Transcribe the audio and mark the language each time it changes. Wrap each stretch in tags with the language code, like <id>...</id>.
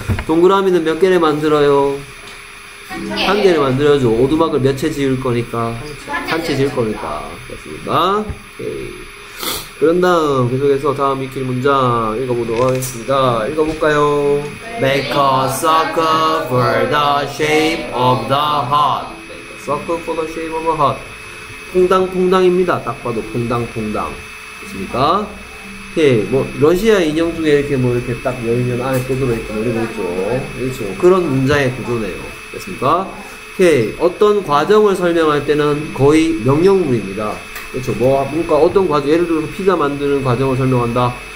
<ko>동그라미는 몇 개를 만들어요? 한 개를 만들어줘. 오두막을 몇 채 지을 거니까? 한 채 지을 거니까. 됐습니다. 오케이. 그런 다음 계속해서 다음 익힐 문장 읽어보도록 하겠습니다. 읽어볼까요?</ko> <en>Make a circle for the shape of the heart. Make a circle for the shape of a heart.</en> <ko>퐁당퐁당입니다. 딱 봐도 퐁당퐁당. 좋습니까? 오케이. 뭐 러시아 인형 중에 이렇게 뭐 이렇게 딱 열면 안에 뜯어져 있다 이러고 있죠. 그렇죠. 그런 문장의 구조네요. 됐습니까? 오케이. 어떤 과정을 설명할 때는 거의 명령문입니다. 그렇죠. 뭐 뭔가 어떤 과정, 예를 들어서 피자 만드는 과정을 설명한다.</ko>